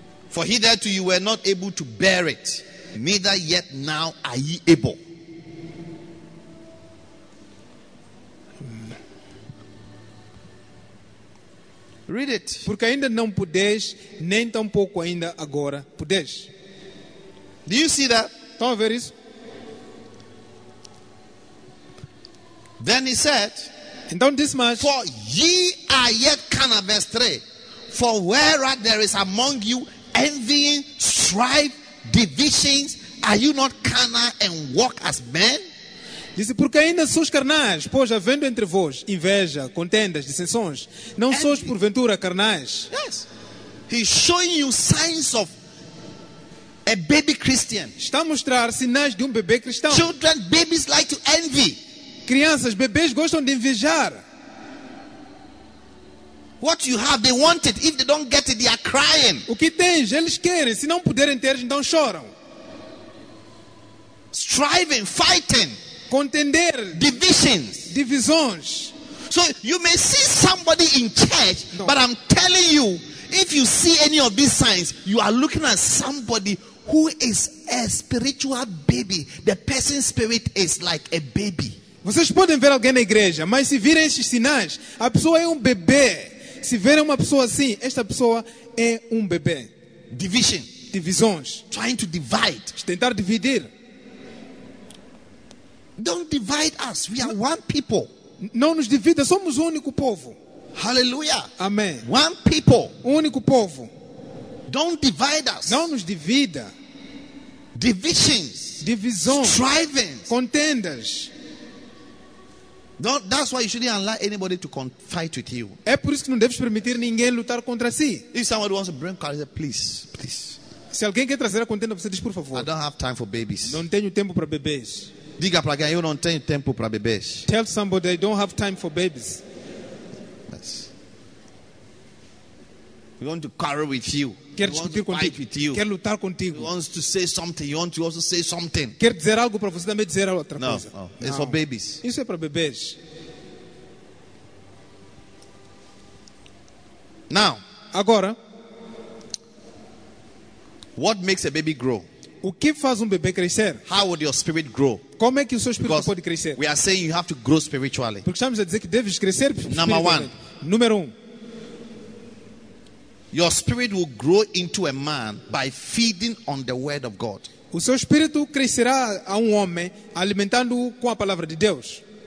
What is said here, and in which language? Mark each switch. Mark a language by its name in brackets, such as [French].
[English] For hitherto you were not able to bear it, neither yet now are ye able. Read it. [Portuguese] Porque ainda não pudeste, nem tampouco ainda agora pudeste. [English] Do you see that? [Portuguese] Estão a ver isso? [English] Then he said, and don't this much. For ye are yet carnal, verse 3. For where there is among you envying, strife, divisions, are you not carnal and walk as men? [Portuguese] Disse, porque ainda sois carnais, pois havendo entre vós inveja, contendas, dissensões, não sois porventura carnais. [English] Yes. He's showing you signs of a baby Christian. [Portuguese] Está a mostrar sinais de bebê cristão. [English] Children, babies like to envy. [Portuguese] Crianças, bebês gostam de invejar. [English] What you have, they want it. If they don't get it, they are crying. [Portuguese] O que tens, eles querem. Se não puderem ter, então choram. [English] Striving, fighting. [Portuguese] Contender. [English] Divisions. [Portuguese] Divisões. [English] So you may see somebody in church, no. But I'm telling you, if you see any of these signs, you are looking at somebody who is a spiritual baby. The person's spirit is like a baby. [Portuguese] Vocês podem ver alguém na igreja, mas se virem esses sinais, a pessoa é bebê. Se virem uma pessoa assim, esta pessoa é bebê. [English] Division. [Portuguese] Divisões. [English] Trying to divide. [Portuguese] Tentar dividir. [English] Don't divide us. We are one people. [Portuguese] Não nos divida, somos único povo. [English] Hallelujah. [Portuguese] Amém. [English] One people. [Portuguese] Único povo. [English] Don't divide us. [Portuguese] Não nos divida. [English] Divisions. [Portuguese] Divisões. [English] Strivings. [Portuguese] Contendas. [English] Don't, that's why you shouldn't allow anybody to fight with you. [Portuguese] É por isso que não deves permitir ninguém lutar contra si. [English] If somebody wants to bring contention, please. [Portuguese] Se alguém quer trazer a contenda, você diz por favor. [English] I don't have time for babies. [Portuguese] Não tenho tempo para bebês. Diga para alguém, eu não tenho tempo para bebês. [English] Tell somebody I don't have time for babies. Yes. We want to quarrel with you. [Portuguese] Quer discutir contigo. [English] With you. [Portuguese] Quer lutar contigo. [English] He wants to say something. You want to also say something. [Portuguese] Quer dizer algo para você também dizer outra [English] no. [Portuguese] coisa. [English] Oh. It's no. for babies. [Portuguese] Isso é para bebês. [English] Now. [Portuguese] Agora. [English] What makes a baby grow? [Portuguese] O que faz bebê crescer? [English] How would your spirit grow? [Portuguese] Como é que o seu espírito pode crescer? [English] We are saying you have to grow spiritually. [Portuguese] Porque estamos a dizer que deves crescer. [English] Number one. [Portuguese] Número [English] Your spirit will grow into a man by feeding on the word of God. [Portuguese] O seu espírito crescerá a homem alimentando-o com a palavra de Deus.